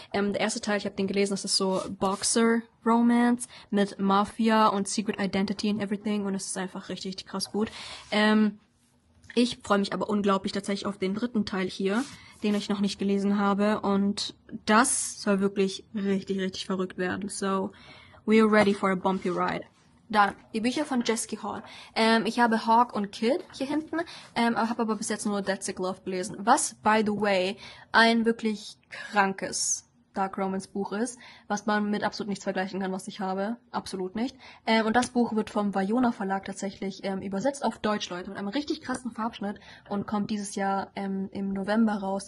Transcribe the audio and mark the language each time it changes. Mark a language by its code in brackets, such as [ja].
[de] Der erste Teil, ich habe den gelesen, das ist so Boxer Romance mit Mafia und [en] Secret Identity and everything [de] und es ist einfach richtig, richtig krass gut. Ich freue mich aber unglaublich tatsächlich auf den dritten Teil hier, den ich noch nicht gelesen habe und das soll wirklich richtig, richtig verrückt werden. [en] So, we're ready for a bumpy ride. [de] Dann, die Bücher von Jesky Hall. Ich habe Hawk und Kid hier hinten, habe aber bis jetzt nur Dead Sick Love gelesen. Was, [en] by the way, [de] ein wirklich krankes Dark Romance Buch ist, was man mit absolut nichts vergleichen kann, was ich habe. Absolut nicht. Und das Buch wird vom Vajona Verlag tatsächlich übersetzt auf Deutsch, Leute, mit einem richtig krassen Farbschnitt und kommt dieses Jahr im November raus.